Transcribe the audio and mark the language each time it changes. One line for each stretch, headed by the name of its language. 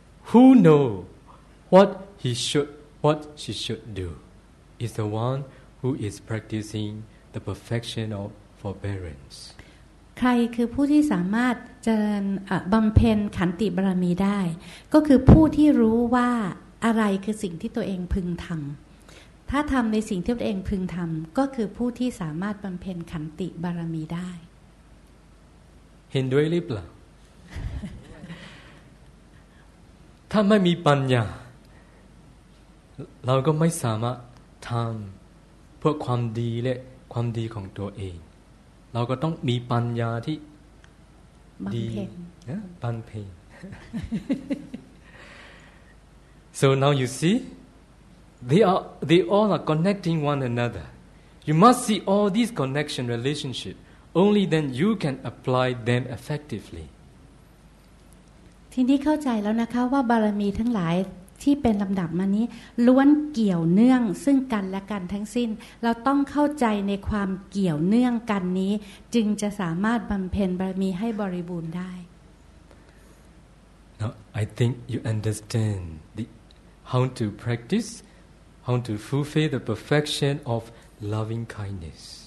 English: Who know what he should, what she should do? Is the one who is practicing the perfection of forbearance.
Thai: ใครคือผู้ที่สามารถเจริญบำเพ็ญขันติบารมีได้ก็คือผู้ที่รู้ว่าอะไรคือสิ่งที่ตัวเองพึงทำถ้าทำในสิ่งที่ตัวเองพึงทำก็คือผู้ที่สามารถบำเพ็ญขันติบารมีได้เห็นด้วยหรือเปล่าถ้าไม่มีปัญญาเราก็ไม่สามารถทำเพื่อความดีและความดีของตัวเองเราก็ต้องมีปัญญาที่ดีน ะปัญเพ็ง
English: So now you see they all are connecting one another you must see all these connection relationship only then you can apply them effectively
Thai: ทีนี้เข้าใจแล้วนะคะว่าบารมีทั้งหลายที่เป็นลำดับมานี้ล้วนเกี่ยวเนื่องซึ่งกันและกันทั้งสิ้นเราต้องเข้าใจในความเกี่ยวเนื่องกันนี้จึงจะสามารถบำเพ็ญบารมีให้บริบูรณ์ได้
English: Now I think you understand how to practice how to fulfill the perfection of loving kindness